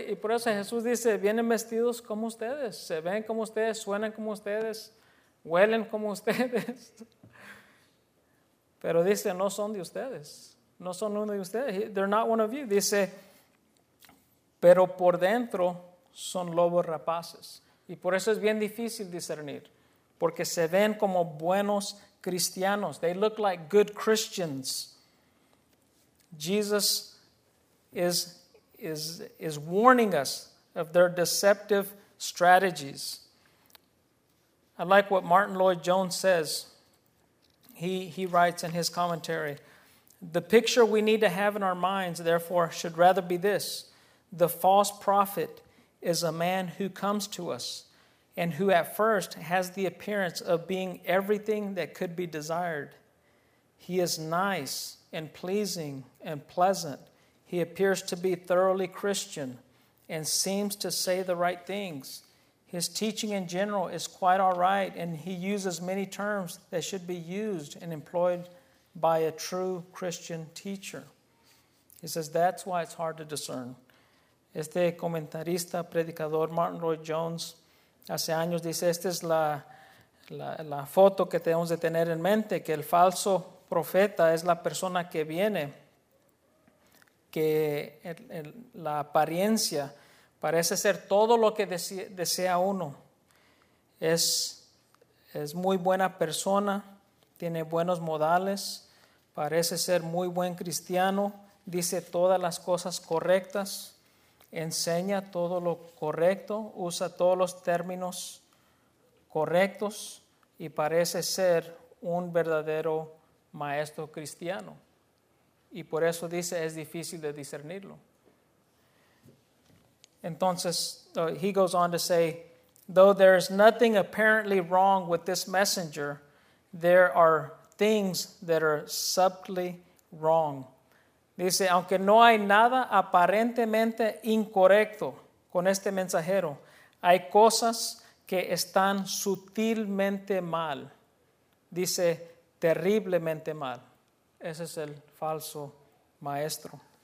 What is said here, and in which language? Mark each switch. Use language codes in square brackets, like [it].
[es] Y por eso Jesús dice, vienen vestidos como ustedes. Se ven como ustedes, suenan como ustedes, huelen como ustedes. Pero dice, no son de ustedes. No son uno de ustedes. [en] They're not one of you. [es] Dice, pero por dentro son lobos rapaces. Y por eso es bien difícil discernir. Porque se ven como buenos cristianos. [en] They look like good Christians. Jesus is warning us of their deceptive strategies. I like what Martin Lloyd-Jones says He writes in his commentary, "The picture we need to have in our minds, therefore, should rather be this. The false prophet is a man who comes to us and who at first has the appearance of being everything that could be desired. He is nice and pleasing and pleasant. He appears to be thoroughly Christian and seems to say the right things. His teaching in general is quite all right, and he uses many terms that should be used and employed by a true Christian teacher." He says that's why it's hard to discern. [es] Este comentarista, predicador, Martin Lloyd Jones, hace años dice, esta es la foto que tenemos de tener en mente, que el falso profeta es la persona que viene, que la apariencia parece ser todo lo que desea uno. Es muy buena persona, tiene buenos modales, parece ser muy buen cristiano, dice todas las cosas correctas, enseña todo lo correcto, usa todos los términos correctos y parece ser un verdadero maestro cristiano. Y por eso dice, es difícil de discernirlo. [en] Entonces, he goes on to say, "Though there is nothing apparently wrong with this messenger, there are things that are subtly wrong." [es] Dice, aunque no hay nada aparentemente incorrecto con este mensajero, hay cosas que están sutilmente mal. Dice, terriblemente mal. Ese es el falso maestro.